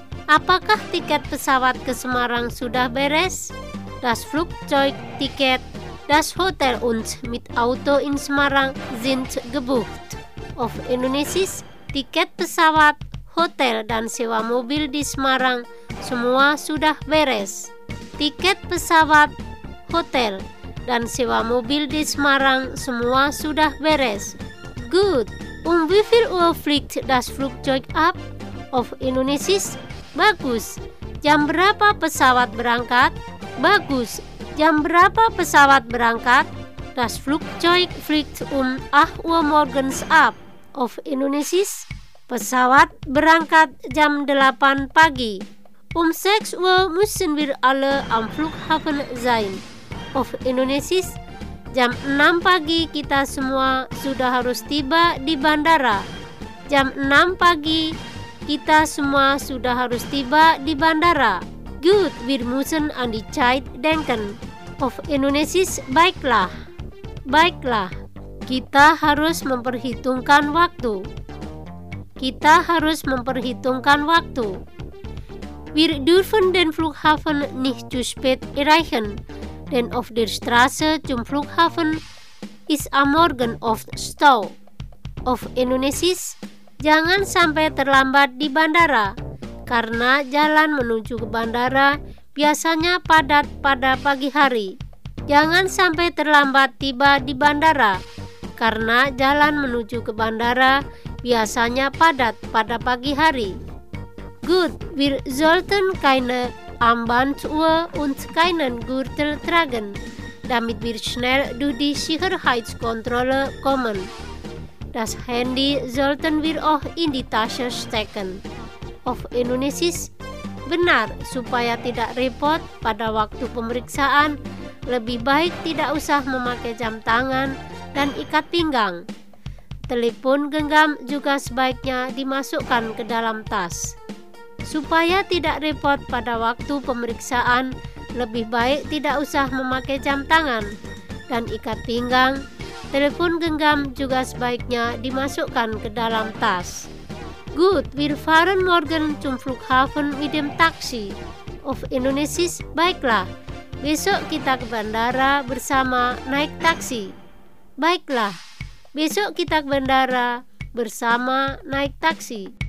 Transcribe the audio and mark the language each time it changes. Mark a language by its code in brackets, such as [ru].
[id] Apakah tiket pesawat ke Semarang sudah beres? [de] Das Flugzeug Ticket, das Hotel und mit Auto in Semarang sind gebucht. Auf Indonesisch, [id] tiket pesawat, hotel dan sewa mobil di Semarang semua sudah beres. Tiket pesawat, hotel dan sewa mobil di Semarang semua sudah beres. [en] Good. [de] Wie viel Uhr fliegt das Flugzeug ab? Auf Indonesisch, [id] bagus. Jam berapa pesawat berangkat? Bagus. Jam berapa pesawat berangkat? [de] Das Flugzeug fliegt um 8 Uhr morgens ab auf Indonesien. [id] Pesawat berangkat jam 8 pagi. [de] 6 Uhr müssen wir alle am Flughafen sein. Auf Indonesien, [id] jam 6 pagi kita semua sudah harus tiba di bandara. Jam 6 pagi kita semua sudah harus tiba di bandara. [de] Gut, wir müssen an die Zeit denken. Auf Indonesien, [id] baiklah. Baiklah, kita harus memperhitungkan waktu. Kita harus memperhitungkan waktu. [de] Wir dürfen den Flughafen nicht zu spät erreichen, denn auf der Straße zum Flughafen ist am Morgen oft Stau. Auf Indonesien, [id] jangan sampai terlambat di bandara, karena jalan menuju ke bandara biasanya padat pada pagi hari. Jangan sampai terlambat tiba di bandara, karena jalan menuju ke bandara biasanya padat pada pagi hari. [de] Gut, wir sollten keine Armbanduhr und keinen Gürtel tragen, damit wir schnell durch die Sicherheitskontrolle kommen. Das Handy sollten wir auch in die Tasche stecken. Auf Indonesisch, [id] benar, supaya tidak repot pada waktu pemeriksaan, lebih baik tidak usah memakai jam tangan dan ikat pinggang. Telepon genggam juga sebaiknya dimasukkan ke dalam tas. Supaya tidak repot pada waktu pemeriksaan, lebih baik tidak usah memakai jam tangan dan ikat pinggang. Telepon genggam juga sebaiknya dimasukkan ke dalam tas. [de] Gut, wir fahren morgen zum Flughafen mit dem Taxi. Auf Indonesisch, [id] baiklah. Besok kita ke bandara bersama naik taksi. Baiklah. Besok kita ke bandara bersama naik taksi.